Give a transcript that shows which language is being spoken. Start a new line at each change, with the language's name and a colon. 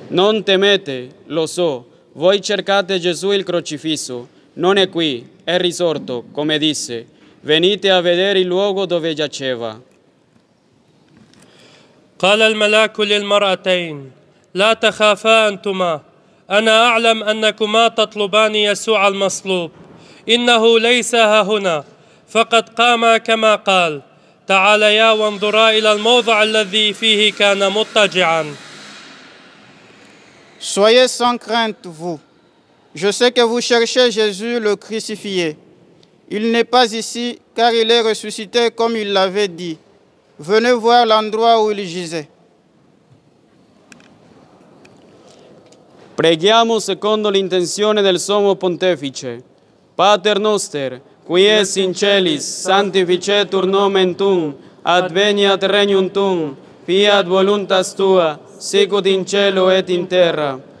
Italian: Non temete, lo so, voi cercate Gesù il crocifisso. Non è qui, è risorto, come disse. Venite a vedere il luogo dove giaceva.
Arabic: قال الملاك للمرأتين لا تخافا أنتما أنا أعلم أنكما تطلبان يسوع المصلوب إنه ليس هنا فقد قام كما قال تعاليا وانظرا إلى الموضع الذي فيه كان مضطجعا
French: Soyez sans crainte, vous. Je sais que vous cherchez Jésus le crucifié. Il n'est pas ici, car il est ressuscité comme il l'avait dit. Venez voir l'endroit où il gisait.
Italian: Preghiamo secondo l'intenzione del Sommo Pontefice.
Latin: Pater noster, qui es in celis, sanctificetur nomen tuum, adveniat regnum tuum, fiat voluntas tua, sicut in cielo et in terra.